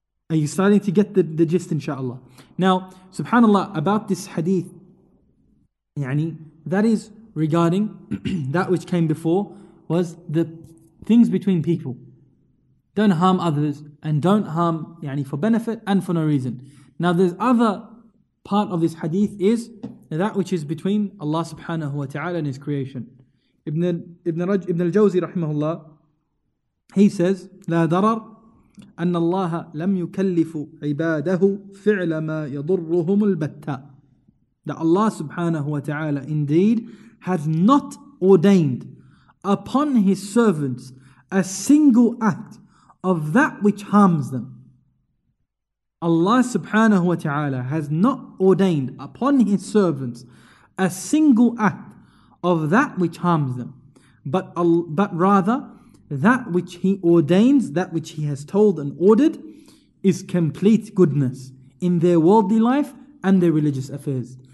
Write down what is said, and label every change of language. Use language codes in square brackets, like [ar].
[en] Are you starting to get the gist, inshaAllah? Now, subhanAllah, about this hadith, that is regarding that which came before, was the things between people. Don't harm others, and don't harm for benefit and for no reason. Now there's other part of this hadith is that which is between Allah subhanahu wa ta'ala and his creation. Ibn al-Jawzi rahimahullah, he says, [ar] لا ضرر أن الله لم يكلف عباده فعل ما يضرهم البتة. [en] That Allah subhanahu wa ta'ala indeed has not ordained upon his servants a single act of that which harms them. Allah subhanahu wa ta'ala has not ordained upon his servants a single act of that which harms them, but rather that which he ordains, that which he has told and ordered, is complete goodness in their worldly life and their religious affairs.